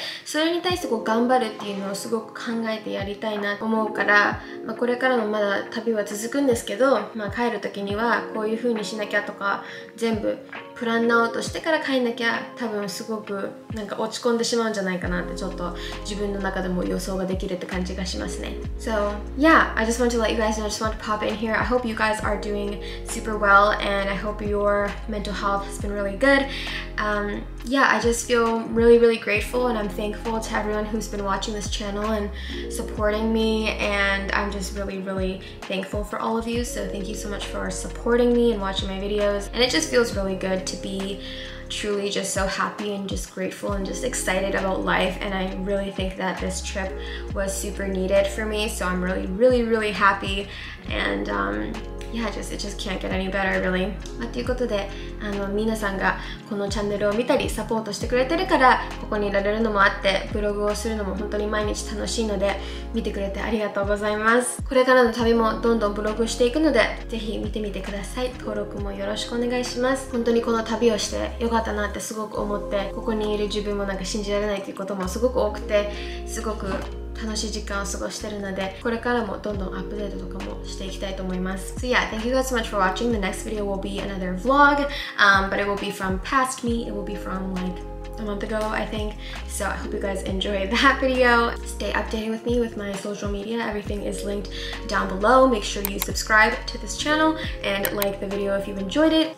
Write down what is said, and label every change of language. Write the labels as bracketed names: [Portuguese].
[Japanese] それに対してこう頑張るっていうのをすごく考えてやりたいなと思うから、まあ、これからもまだ旅は続くんですけど、まあ、帰る時にはこういうふうにしなきゃとか全部プランナウトしてから帰んなきゃ、多分すごくなんか落ち込んでしまうんじゃないかなって、ちょっと自分の中でも予想ができるって感じがしますね。 [English] So yeah, I just want to let you guys know, I just want to pop in here. I hope you guys are doing super well and I hope your mental health has been really good. Yeah, I just feel really, really grateful and I'm thankful to everyone who's been watching this channel and supporting me, and I'm just really, really thankful for all of you. So thank you so much for supporting me and watching my videos, and it just feels really goodto be truly just so happy and just grateful and just excited about life. And I really think that this trip was super needed for me, so I'm really, really, really happy. And yeah, just it just can't get any better, really. [Japanese] ということで、あの皆さんがこのチャンネルを見たりサポートしてくれてるからここにいられるのもあって、ブログをするのも本当に毎日楽しいので見てくれてありがとうございます。これからの旅もどんどんブログしていくので、ぜひ見てみてください。登録もよろしくお願いします。本当にこの旅をしてよかったなってすごく思って、ここにいる自分もなんか信じられないということもすごく多くて、すごく楽しい時間を過ごしてるので、これからもどんどんアップデートとかもしていきたいと思います。 [English] So yeah, thank you guys so much for watching. The next video will be another vlog, but it will be from past me. It will be from like a month ago, I think. So I hope you guys enjoy that video. Stay updated with me with my social media. Everything is linked down below. Make sure you subscribe to this channel and like the video if you've enjoyed it.